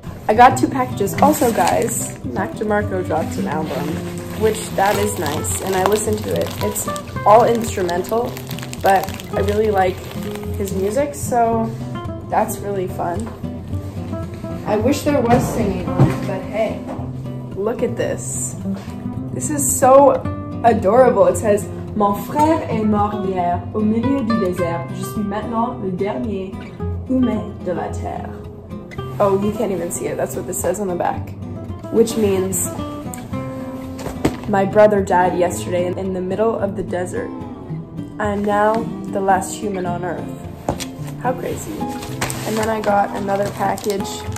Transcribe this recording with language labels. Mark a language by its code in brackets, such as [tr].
[en] I got two packages. Also guys, Mac DeMarco dropped an album, which that is nice, and I listened to it. It's all instrumental, but I really like his music, so that's really fun. I wish there was singing on it, but hey. Look at this. This is so adorable. It says, [fr] "Mon frère est mort hier au milieu du désert. Je suis maintenant le dernier humain de la terre." [en] Oh, you can't even see it. That's what this says on the back. Which means, my brother died yesterday in the middle of the desert. I am now the last human on earth. How crazy. And then I got another package.